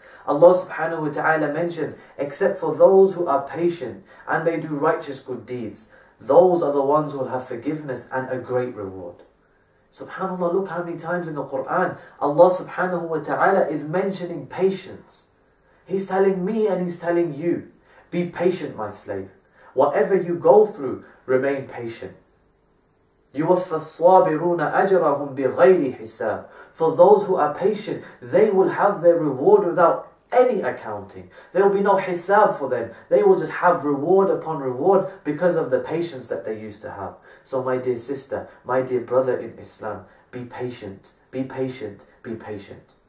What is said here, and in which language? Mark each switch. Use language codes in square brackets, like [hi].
[en] Allah subhanahu wa ta'ala mentions, except for those who are patient and they do righteous good deeds, those are the ones who will have forgiveness and a great reward. Subhanallah, look how many times in the Quran Allah subhanahu wa ta'ala is mentioning patience. He's telling me and He's telling you, be patient my slave. Whatever you go through, remain patient. [ar] يوفى الصابرون أجرهم بغير حساب. [en] For those who are patient, they will have their reward without any accounting. There will be no hisab for them. They will just have reward upon reward because of the patience that they used to have. So my dear sister, my dear brother in Islam, be patient, be patient, be patient.